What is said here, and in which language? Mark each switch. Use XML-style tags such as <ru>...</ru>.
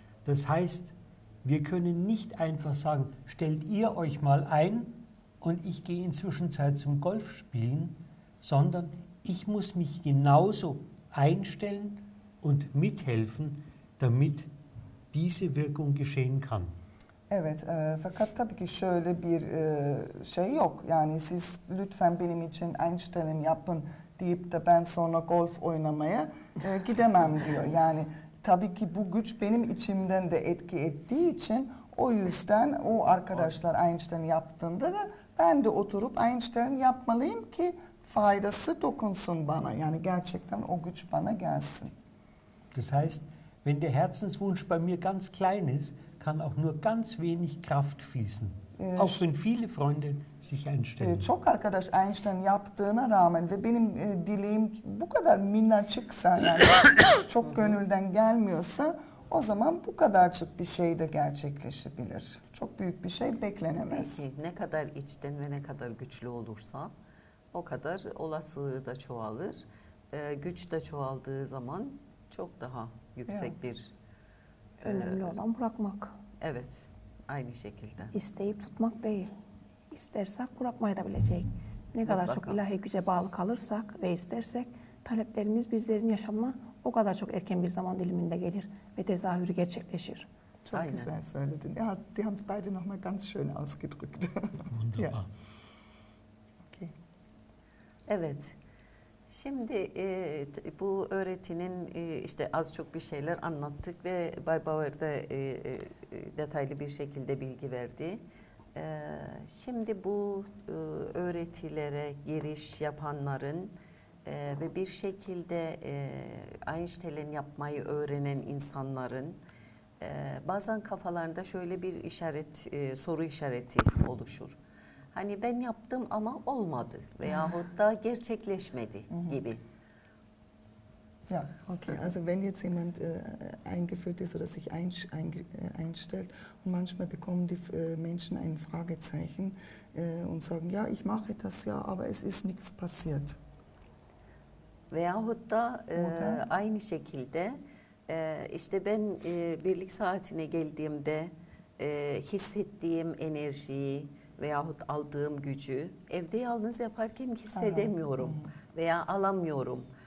<de>Das heißt, wir können nicht einfach sagen, stellt ihr euch mal ein und ich gehe in Zwischenzeit zum Golf spielen, sondern ich muss mich genauso einstellen und mithelfen, damit diese Wirkung geschehen kann.</de> <tr>Evet, fakat tabii ki şöyle bir şey yok. Yani siz lütfen benim için einstellen yapın deyip de ben sonra golf oynamaya gidemem diyor. Yani tabii ki bu güç benim içimden de etki ettiği için O yüzden o arkadaşlar Einstein yaptığında da ben de oturup Einstein yapmalıyım ki faydası dokunsun bana. Yani gerçekten o güç bana gelsin.</tr> <de>Das heißt, wenn der Herzenswunsch bei mir ganz klein ist, kann auch nur ganz wenig Kraft fließen. Auch wenn viele Freunde sich einstellen.</de> <tr>Çok arkadaş Einstein yaptığına rağmen ve benim dileğim bu kadar minnacıksa, yani çok gönülden gelmiyorsa, o zaman bu kadarcık bir şey de gerçekleşebilir. Çok büyük bir şey beklenemez. Peki, ne kadar içten ve ne kadar güçlü olursa o kadar olasılığı da çoğalır. Güç de çoğaldığı zaman çok daha yüksek bir... Önemli olan bırakmak. Evet, aynı şekilde. İsteyip tutmak değil. İstersek bırakmayı da bilecek. Ne kadar çok ilahi güce bağlı kalırsak ve istersek taleplerimiz bizlerin yaşamına o kadar çok erken bir zaman diliminde gelir ve tezahürü gerçekleşir. Çok aynen. Güzel söyledin.</tr> <de>Ja, die haben es beide noch mal ganz schön ausgedrückt. Wunderbar. Ja. Okay.</de> <tr>Evet. Şimdi bu öğretinin işte az çok bir şeyler anlattık ve Bay Bauer de detaylı bir şekilde bilgi verdi. Şimdi bu öğretilere giriş yapanların ve bir şekilde Einstein'in yapmayı öğrenen insanların bazen kafalarında şöyle bir işaret, soru işareti oluşur. Hani ben yaptım ama olmadı veyahut da gerçekleşmedi gibi.</tr> <de>Ja, okay. Also wenn jetzt jemand eingeführt ist oder sich einstellt und manchmal bekommen die Menschen ein Fragezeichen und sagen, ja, ich mache das ja, aber es ist nichts passiert.</de> <tr>Veyahut da aynı şekilde işte ben birlik saatine geldiğimde hissettiğim enerjiyi veyahut aldığım gücü evde yalnız yaparken hissedemiyorum veya alamıyorum.</tr>